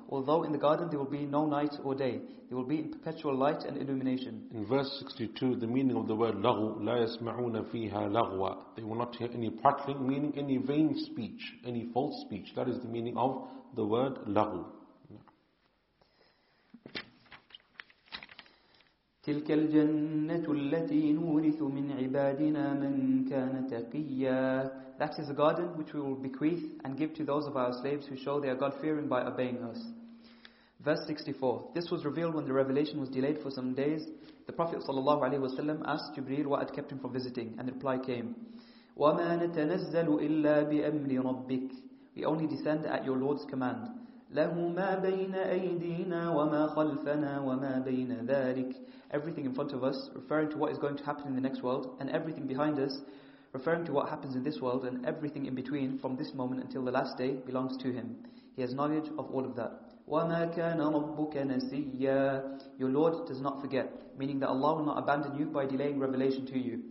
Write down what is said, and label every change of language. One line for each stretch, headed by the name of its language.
English: Although in the garden there will be no night or day, they will be in perpetual light and illumination. In verse 62, the meaning of the word لغو,
Arabic: لَا يَسْمَعُونَ فِيهَا لَغْوًا.
English: They will not hear any prattling, meaning any vain speech, any false speech. That is the meaning of the word لغو.
Arabic: تلك الجنة التي نورث من عبادنا من كان تقيا.
English: That is a garden which we will bequeath and give to those of our slaves who show they are God-fearing by obeying us. Verse 64. This was revealed when the revelation was delayed for some days. The Prophet sallallahu alaihi wasallam asked Jibril what had kept him from visiting, and the reply came,
Arabic: وما نتنزل إلا بأمر ربك.
English: We only descend at your Lord's command.
Arabic: له ما بين أيدينا وما خلفنا وما بين ذلك.
English: Everything in front of us, referring to what is going to happen in the next world, and everything behind us, referring to what happens in this world, and everything in between, from this moment until the last day, belongs to him. He has knowledge of all of that.
Arabic: وَمَا كَانَ رَبُّكَ نَسِيًّا.
English: Your Lord does not forget, meaning that Allah will not abandon you by delaying revelation to you.